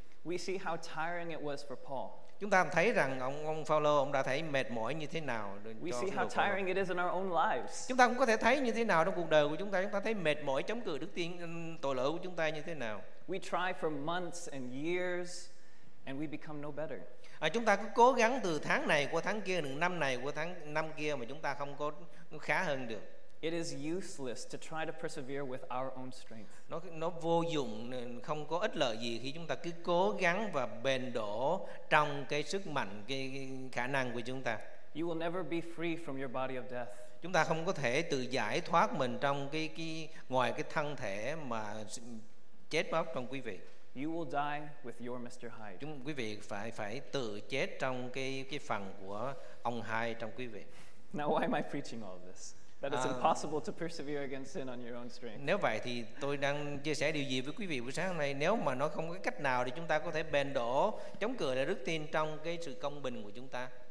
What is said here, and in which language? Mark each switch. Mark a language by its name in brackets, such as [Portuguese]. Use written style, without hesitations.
[English] We see how tiring it was for Paul. [Vietnamese] Chúng ta thấy rằng ông Phaolô ông đã thấy mệt mỏi như thế nào. [English] We see how tiring it is in our own lives. [Vietnamese] Chúng ta cũng có thể thấy như thế nào trong cuộc đời của chúng ta. Chúng ta thấy mệt mỏi chống cự đức tin tội lỗi của chúng ta như thế nào. [English] We try for months and years, and we become no better. [Vietnamese] Chúng ta cứ cố gắng từ tháng này qua tháng kia, năm này qua tháng năm kia mà chúng ta không có khá hơn được. [English] It is useless to try to persevere with our own strength. [Vietnamese] Nó vô dụng, không có ích lợi gì khi chúng ta cứ cố gắng và bền đổ trong cái sức mạnh, cái khả năng của chúng ta. [English] You will never be free from your body of death. [Vietnamese] Chúng ta không có thể tự giải thoát mình trong cái ngoài cái thân thể mà chết mất trong quý vị. [English] You will die with your Mr. Hyde. [Vietnamese] Chúng quý vị phải tự chết trong cái phần của ông Hyde trong quý vị. [English] Now why am I preaching all of this? That is impossible to persevere against sin on your own strength. [Vietnamese] Nếu vậy thì tôi đang chia sẻ điều gì với quý vị buổi sáng hôm nay? Nếu mà nó không có cách nào để chúng ta có thể bền đổ, chống cự lại đức tin trong cái sự công bình của chúng ta.